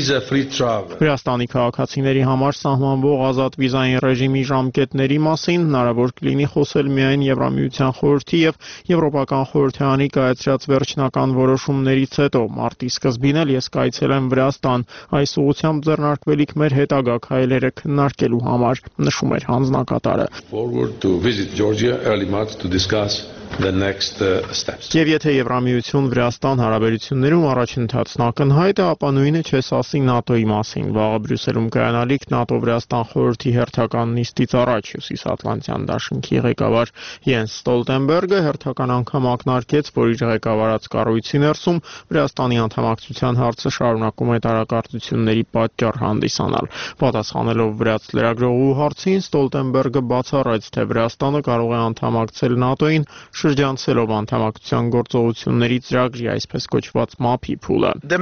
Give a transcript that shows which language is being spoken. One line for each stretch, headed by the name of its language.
Armenian: Վրաստանի քաղաքացիների համար սահմանվող ազատ վիզային ռեժիմի ժամկետների մասին հնարավոր կլինի խոսել միայն Եվրամիության խորհրդի և Եվրոպական խորհրդարանի կայացրած վերջնական որոշումներից հետո։ Մարտի սկզբին էլ ես կայցելեմ Վրաստան, այս ուղղությամբ ձեռնարկվելիք մեր հետագա քայլերը քննարկելու համար, մեր հանձնակատարը։
English: Forward to visit Georgia early March to discuss the next steps.
Armenian: Եվ եթե Եվրամիություն Վրաստան հարաբերություններում առաջընթացն ակնհայտ է, ապա նույնը չես ասի ՆԱՏՕ-ի մասին։ Վաղը Բրյուսելում կայանալիք ՆԱՏՕ-Վրաստան խորհրդի հերթական նիստից առաջ Հյուսիսատլանտյան դաշնքի ղեկավար Յենս Ստոլտենբերգը հերթական անգամ ակնարկեց, որ իր ղեկավարած կառույցի ներսում Վրաստանի անդամակցության հարցը շարունակում է տարակարծությունների պատճառ հանդիսանալ։ Պատասխանելով վրաց լրագրողու հարցին, Ստոլտենբերգը բացառեց, թե Վրաստանը կարող է անդամակցել ՆԱՏՕ-ին, շրջանցելով անդամակցության գործողությունների ծրագրի, այսպես կոչված ՄԱՓ-ի փուլը։